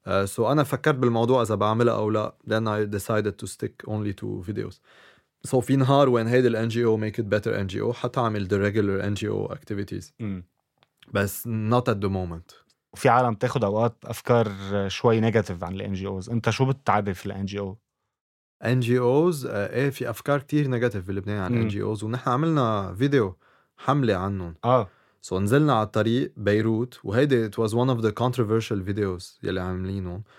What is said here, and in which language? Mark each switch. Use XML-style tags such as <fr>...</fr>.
<ar>سو أنا فكرت بالموضوع إذا بعملها أو لا،</ar> <en>then I decided to stick only to videos.</en> <ar>سو في نهار وين هيدا الـ NGO make it better NGO حتى عمل</ar> <en>the regular NGO activities. بس not at the moment.</en> <ar>في عالم تاخد أوقات أفكار شوي نيجاتيف عن الـ NGOs، أنت شو بتعرف الـ NGO؟ NGOs إيه في أفكار كتير نيجاتيف بلبنان عن NGOs، ونحن عملنا فيديو حملة عنهم. سو نزلنا على الطريق بيروت، وهيدي</ar> <en>it was one of the controversial videos</en> <ar>يلي عاملينه.</ar>